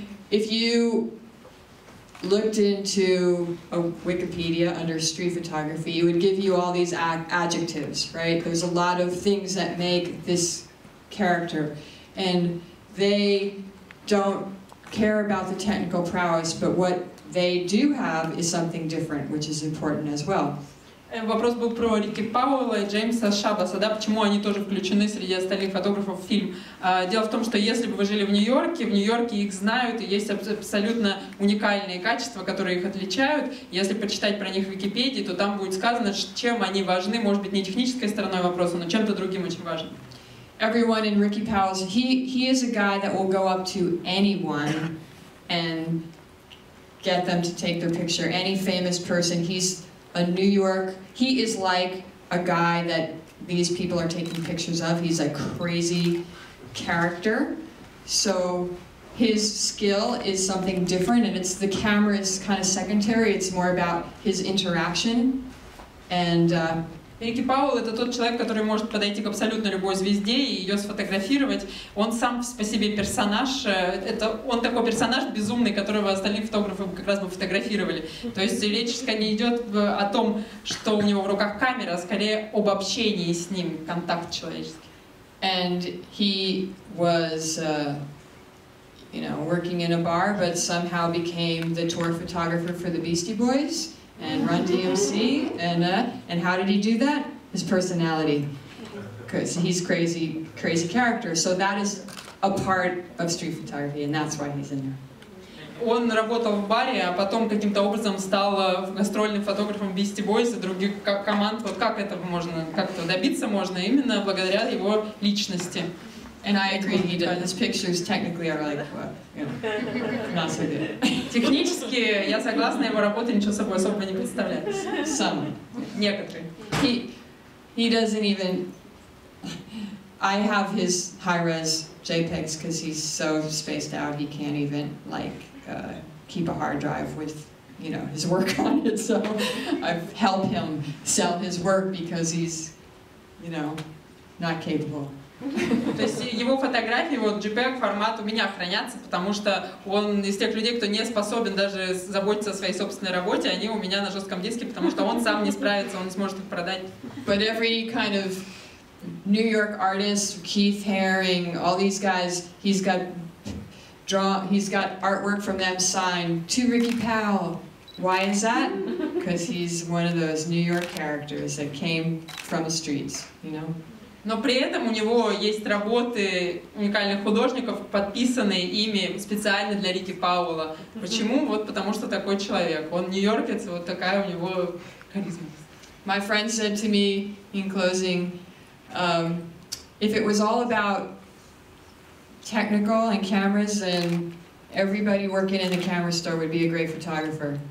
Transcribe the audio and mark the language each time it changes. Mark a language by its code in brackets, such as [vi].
[en] If you looked into a Wikipedia under street photography, it would give you all these adjectives, right? There's a lot of things that make this character, and they don't care about the technical prowess, but what they do have is something different, which is important as well. [ru] Вопрос был про Рики Пауэлла и Джеймса Шабаса, да, почему они тоже включены среди остальных фотографов в фильм. Дело в том, что если бы вы жили в Нью-Йорке их знают, и есть абсолютно уникальные качества, которые их отличают. Если почитать про них в Википедии, то там будет сказано, чем они важны, может быть, не технической стороной вопроса, но чем-то другим очень важным. [en] Everyone in Ricky Powell's, he is a guy that will go up to anyone and get them to take their picture. Any famous person, he's a New York, he is like a guy that these people are taking pictures of. He's a crazy character. So his skill is something different, and it's the camera is kind of secondary. It's more about his interaction and... [ru] Рики Пауэлл — это тот человек, который может подойти к абсолютно любой звезде и ее сфотографировать. Он сам по себе персонаж. Это, он такой персонаж безумный, которого остальные фотографы как раз бы фотографировали. То есть речь не идет о том, что у него в руках камера, а скорее об общении с ним, контакт человеческий. [en] And he was, you know, working in a bar, but somehow became the tour photographer for the Beastie Boys. And Run DMC, and how did he do that? His personality, because he's crazy, crazy character. So that is a part of street photography, and that's why he's in there. [ru] Он работал в баре, а потом каким-то образом стал гастрольным фотографом Beastie Boys и других команд. Вот как этого можно, как-то добиться можно именно благодаря его личности. [en] And I agree, he did. His pictures technically are like, well, you know, not so good. [ru] Технически, я согласна, его работа ничего собой особо не представляет. [en] Some. [ru] Некоторые. [en] He doesn't even... I have his high-res JPEGs because he's so spaced out, he can't even, like, keep a hard drive with, you know, his work on it. So I've helped him sell his work because he's, you know, not capable. [ru] То есть его фотографии, вот JPEG формат у меня хранятся, потому что он из тех людей, кто не способен даже заботиться о своей собственной работе, они у меня на жестком диске, потому что он сам не справится, он не сможет их продать. [en] But every kind of New York artist, Keith Haring, all these guys, he's got artwork from them signed to Ricky Powell. Why is that? Because he's one of those New York characters that came from the streets, you know? [ru] Но при этом у него есть работы уникальных художников, подписанные ими специально для Рики Пауэлла. Почему? Вот потому что такой человек. Он нью-йоркец, и вот такая у него харизма. [en] My friend said to me in closing, if it was all about technical and cameras, then everybody working in the camera store would be a great photographer.